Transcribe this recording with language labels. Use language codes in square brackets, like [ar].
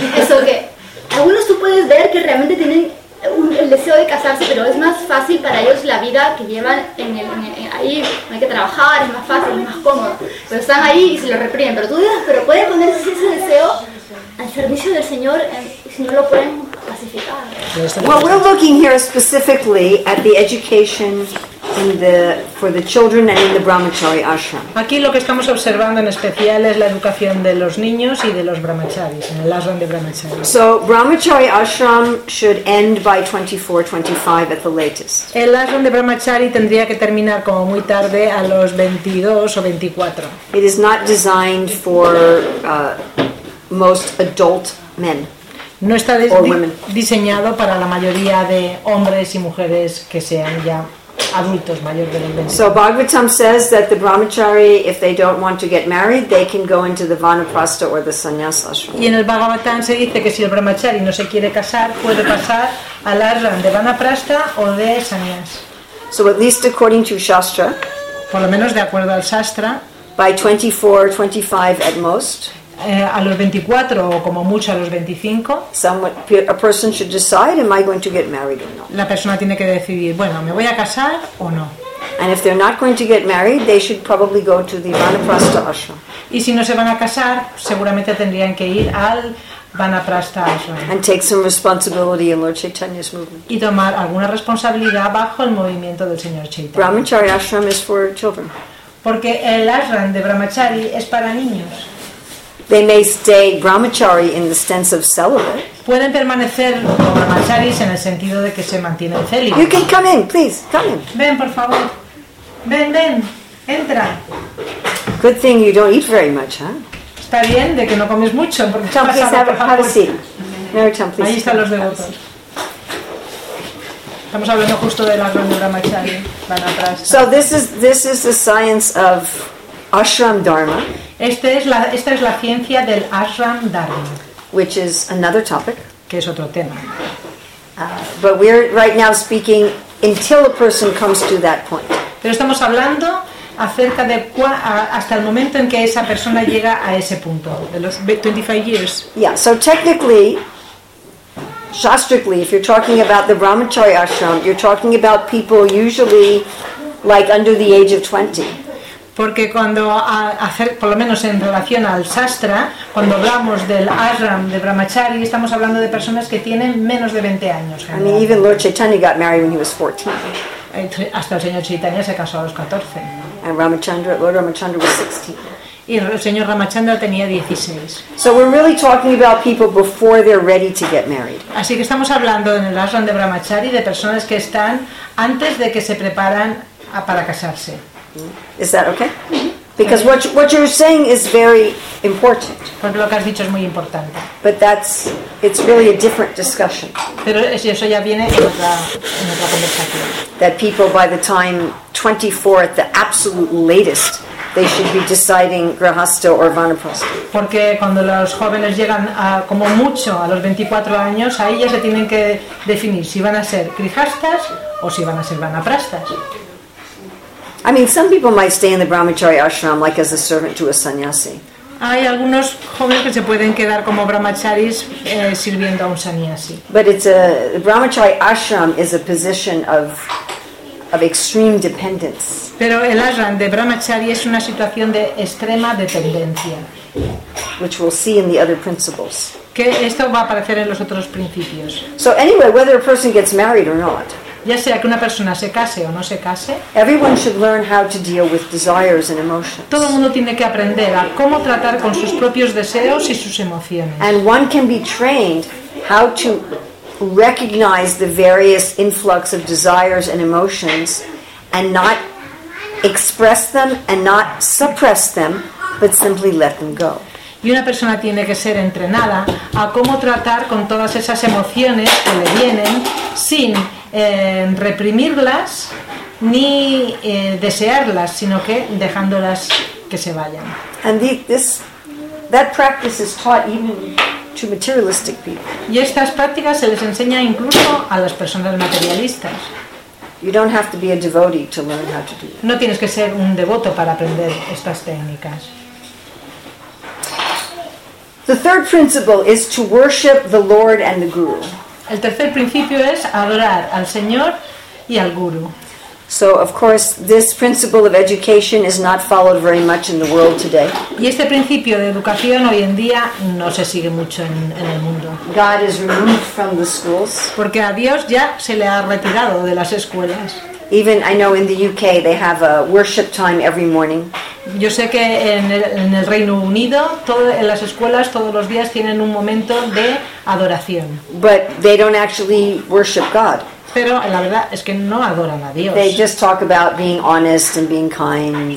[es] Eso que algunos tú puedes ver que realmente tienen el deseo de casarse, pero es más fácil para ellos la vida que llevan en ahí, no hay que trabajar, es más fácil, es más cómodo, pero están ahí y se lo reprimen, pero tú dices, pero puedes poner ese deseo al servicio del Señor si no lo pueden pacificar. [en] Well, we're looking here specifically at the education for the children and in the brahmachari ashram. [es] Aquí lo que estamos observando en especial es la educación de los niños y de los brahmacharis en el ashram de brahmachari. [en] So brahmachari ashram should end by 24-25 at the latest. [es] El ashram de brahmachari tendría que terminar como muy tarde a los 22 o 24. [en] It is not designed for most adult men. [es] No está diseñado para la mayoría de hombres y mujeres que sean ya adultos mayores de 20. [en] So Bhagavatam says that the brahmachari, if they don't want to get married, they can go into the vanaprastha or the sannyasa ashram. [es] Y en el Bhagavatam se dice que si el brahmachari no se quiere casar, puede pasar al ashram de vanaprastha o de sannyas. [en] So at least according to shastra, [es] por lo menos de acuerdo al shastra, [en] by 24, 25 at most. [es] A los 24 o como mucho a los 25. [en] A person should decide, am I going to get married or not? [es] La persona tiene que decidir, bueno, ¿me voy a casar o no? [en] And if they're not going to get married, they should probably go to the vanaprastha ashram. [es] Y si no se van a casar, seguramente tendrían que ir al vanaprastha ashram. [en] And take some responsibility in Lord Chaitanya's movement. [es] Y tomar alguna responsabilidad bajo el movimiento del señor Chaitanya. [en] Brahmachari ashram is for children. [es] Porque el ashram de brahmachari es para niños. [en] They may stay brahmachari in the sense of celibate. [es] Pueden permanecer como brahmacharis en el sentido de que se mantienen célibes. [en] You can come in, please. Come in. [es] Ven, por favor. Ven, ven. Entra. [en] Good thing you don't eat very much, huh? [es] Está bien de que no comes mucho porque [en] Tom, please have a seat. Mary Tom, please. [es] Ahí están los devotos. Estamos hablando justo de la grande brahmachari. Van atrás. [en] So this is the science of ashram dharma. [es] Esta es la ciencia del ashram dharma. [en] Which is another topic. [es] Que es otro tema. [en] But we're right now speaking until a person comes to that point. [es] Pero estamos hablando acerca de hasta el momento en que esa persona llega a ese punto, de los 25 years. [en] Yeah, so technically, shastrically, if you're talking about the brahmachari ashram, you're talking about people usually like under the age of 20. [es] Porque cuando por lo menos en relación al sastra, cuando hablamos del ashram de brahmachari, estamos hablando de personas que tienen menos de 20 años. [en] I mean, even Lord Chaitanya got married when he was 14. [es] Hasta el señor Chaitanya se casó a los 14. [en] And Ramachandra, Lord Ramachandra was 16. [es] Y el señor Ramachandra tenía 16. [en] So we're really talking about people before they're ready to get married. [es] Así que estamos hablando en el ashram de brahmachari de personas que están antes de que se preparan para casarse. [en] Is that okay? Because what you're saying is very important. [es] Porque lo que has dicho es muy importante. [en] But it's really a different discussion. [es] Pero eso ya viene en otra conversación. [en] That people by the time 24 at the absolute latest, they should be deciding grahasta or vanaprastha. [es] Porque cuando los jóvenes llegan a como mucho a los 24 años, ahí ya se tienen que definir si van a ser grihastas o si van a ser vanaprastas. [en] I mean, some people might stay in the brahmachari ashram like as a servant to a sannyasi. [es] Hay algunos jóvenes que se pueden quedar como brahmacharis sirviendo a un sannyasi. [en] But the brahmachari ashram is a position of extreme dependence. [es] Pero el ashram de brahmachari es una situación de extrema dependencia. [en] Which we'll see in the other principles. [es] Que esto va a aparecer en los otros principios. [en] So anyway, whether a person gets married or not, [es] ya sea que una persona se case o no se case, [en] everyone should learn how to deal with desires and emotions. [es] Todo el mundo tiene que aprender a cómo tratar con sus propios deseos y sus emociones. [en] And one can be trained how to recognize the various influx of desires and emotions and not express them and not suppress them, but simply let them go. [es] Y una persona tiene que ser entrenada a cómo tratar con todas esas emociones que le vienen sin reprimirlas ni desearlas, sino que dejándolas que se vayan. [en] That practice is taught even to materialistic people. [es] Y estas prácticas se les enseña incluso a las personas materialistas. [en] You don't have to be a devotee to learn how to do it. [es] No tienes que ser un devoto para aprender estas técnicas. [en] The third principle is to worship the Lord and the Guru. [es] El tercer principio es adorar al Señor y al Guru. [en] So, of course, this principle of education is not followed very much in the world today. [es] Y este principio de educación hoy en día no se sigue mucho en el mundo. [en] God is removed from the schools. [es] Porque a Dios ya se le ha retirado de las escuelas. [en] Even I know in the UK they have a worship time every morning. [es] Yo sé que en el Reino Unido en las escuelas todos los días tienen un momento de adoración. [en] But they don't actually worship God. [es] Pero la verdad es que no adoran a Dios. [en] They just talk about being honest and being kind.